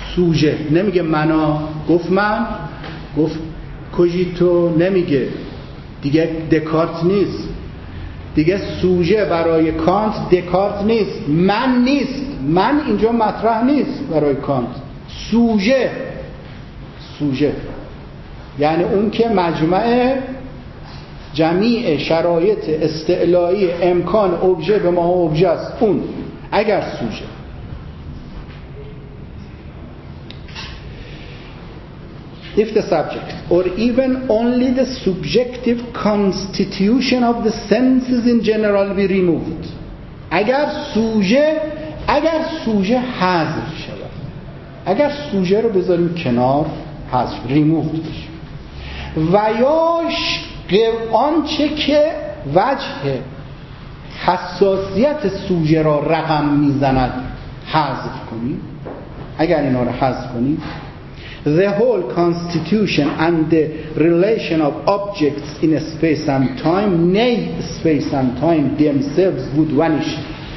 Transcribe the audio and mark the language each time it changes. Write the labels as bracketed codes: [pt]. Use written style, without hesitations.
[fa] سوژه، نمیگه منا، گفت من، گفت کوژیتو، نمیگه دیگه دکارت نیست، دیگه سوژه برای کانت دکارت نیست، من نیست، من اینجا مطرح نیست برای کانت، سوژه، سوژه یعنی اون که مجمع جمیع شرایط استعلایی امکان ابژه به ما ابژه است، اون اگر سوژه. [en] If the subject or even only the subjective constitution of the senses in general be removed. [fa] اگر سوژه حذف شود، اگر سوژه رو بذاریم کنار، حذف، ریموفت بشه، و یاش آنچه که وجه حساسیت سوژه را رقم میزند حذف کنیم، [en] اگر اینا رو حذف کنیم، the whole constitution and the relation of objects in space and time, nay space and time themselves would vanish.